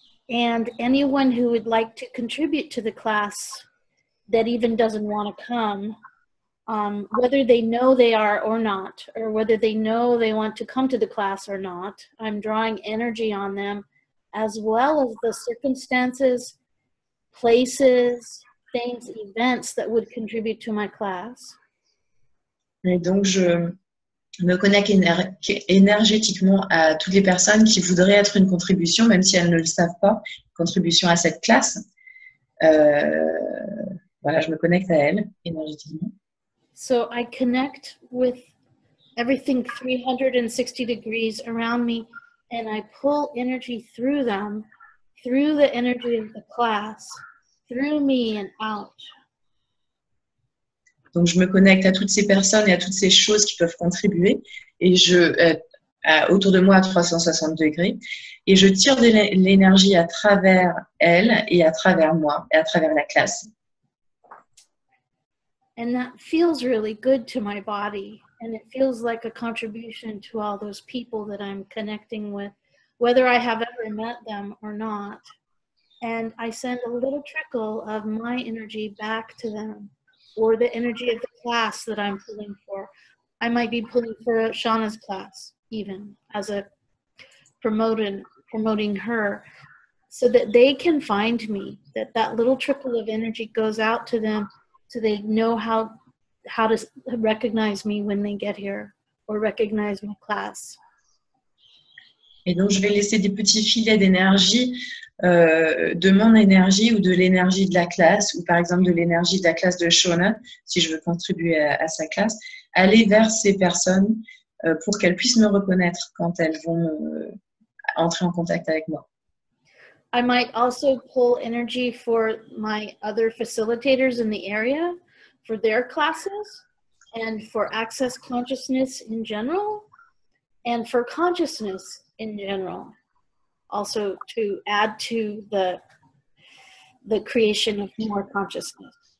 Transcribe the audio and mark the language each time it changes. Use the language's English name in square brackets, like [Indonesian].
[English] And anyone who would like to contribute to the class that even doesn't want to come. Whether they know they are or not, or whether they know they want to come to the class or not, I'm drawing energy on them, as well as the circumstances, places, things, events that would contribute to my class. [French] Et donc, je me connecte énergétiquement à toutes les personnes qui voudraient être une contribution, même si elles ne le savent pas, contribution à cette classe. Voilà, je me connecte à elles énergétiquement. [English] So I connect with everything 360 degrees around me, and I pull energy through them, through the energy of the class, through me and out. [French] Donc je me connecte à toutes ces personnes et à toutes ces choses qui peuvent contribuer, et je autour de moi à 360 degrés, et je tire de l'énergie à travers elles et à travers moi et à travers la classe. [English] And that feels really good to my body, and it feels like a contribution to all those people that I'm connecting with, whether I have ever met them or not. And I send a little trickle of my energy back to them, or the energy of the class that I'm pulling for. I might be pulling for Shauna's class, even, as a promoting her, so that they can find me, that little trickle of energy goes out to them, so they know how to recognize me when they get here, or recognize my class. [French] Et donc je vais laisser des petits filets d'énergie, de mon énergie ou de l'énergie de la classe, ou par exemple de l'énergie de la classe de Shauna, si je veux contribuer à sa classe, aller vers ces personnes pour qu'elles puissent me reconnaître quand elles vont entrer en contact avec moi. [English] I might also pull energy for my other facilitators in the area, for their classes, and for access consciousness in general, and for consciousness in general. Also to add to the creation of more consciousness.